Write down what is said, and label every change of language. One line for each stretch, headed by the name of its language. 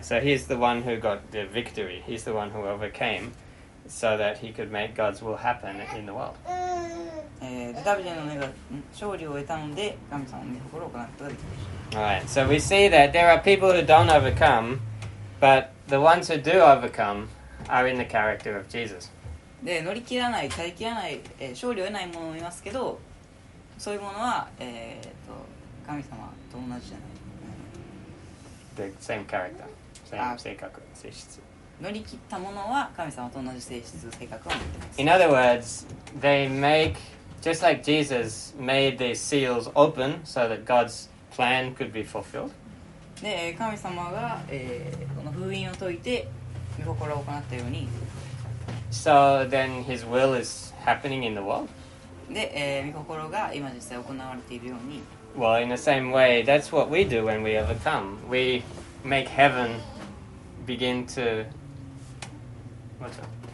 English: So he's the one who got the victory. He's the one who overcame so that he could make God's will happen in the world.
Japanese: ダビデの根が勝利を得たので神様の御心を行うことができました。
English: Alright, so we see that there are people who don't overcome, but the ones who do overcome are in the character of Jesus.
Japanese: で、乗り切らない、耐え切らない、勝利を得ないものもいますけど、そういうものは、神様と同じじゃない。
English: The same character, same
Japanese: 性格、性質。乗り切ったものは神様と同じ性質、性格を持っています。
English: In other words, they make, just like Jesus made the seals open so that God'splan could be fulfilled.
Japanese: で、神様が、この封印を解いて御心を行ったように。
English: So then his will is happening in the world.
Japanese: で、御心が今実際行われているように。
English: Well, in the same way, that's what we do when we overcome. We make heaven begin to. What's up?